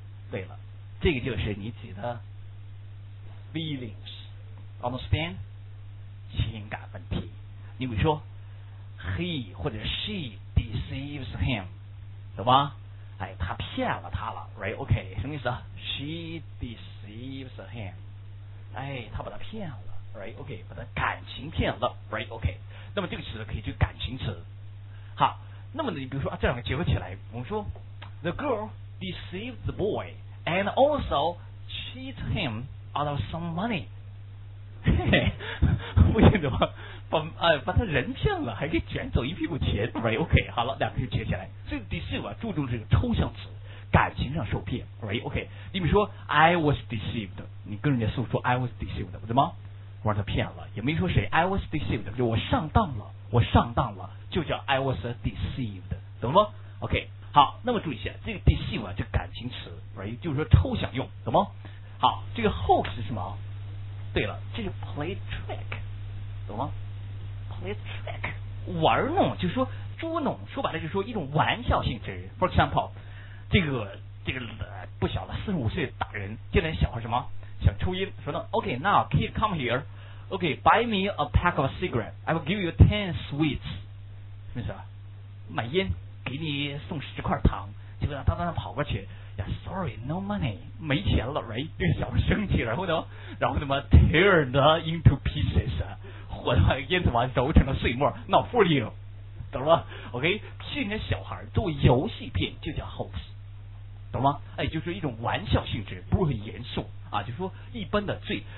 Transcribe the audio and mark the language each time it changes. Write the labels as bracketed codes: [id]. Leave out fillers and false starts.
[zh] 对了，这个就是你指的 feelings， understand 情感问题。你比如说 he 或者 she deceives him， 对吧？哎，他骗了他了 ，right？ OK， 什么意思 ？She deceives him。哎，他把他骗了 ，right？ OK， 把他感情骗了 ，right？ OK。那么这个词可以就感情词。好，那么你比如说啊，这两个结合起来，我们说 [en] ，the girl deceived the boy and also cheat him out of some money。 [zh] 嘿嘿，不行的话，把他人骗了，还可以卷走一屁股钱 ，right？ OK， 好了，两个就结起来。所以 deceive 注重这个抽象词，感情上受骗 ，right？ OK， 你比如说 ，I was deceived， 你跟人家诉说 I was deceived， 怎么？我让他骗了，也没说谁 ，I was deceived， 就我上当了，我上当了，就叫 I was deceived， 懂吗 ？OK， 好，那么注意一下，这个 deceive 啊，这感情词 ，right？就是说抽象用，懂吗？好，这个 hoax 是什么？对了，这是 play trick， 懂吗 ？play trick 玩弄，就是说捉弄，说白了就是说一种玩笑性质。 [en] For example， [zh] 这个不小了，45岁大人见到小孩什么想抽烟，说呢 [en] ，OK， now kid come here， OK， buy me a pack of cigarette， I will give you 10 sweets， [zh] 什么意思啊？买烟，给你送10块糖，结果他当然跑过去。 [en] Yeah, sorry, no money， [zh] 没钱了 [en] ，right？ [zh] 这个小孩生气，然后他妈 tear the into pieces， 火的烟子完揉成了碎末 ， [en] not for you， [zh] 懂了吗 ？OK， 骗人小孩做游戏片就叫 hoax， 懂吗？哎，就是一种玩笑性质，不是很严肃啊，就是说一般的罪。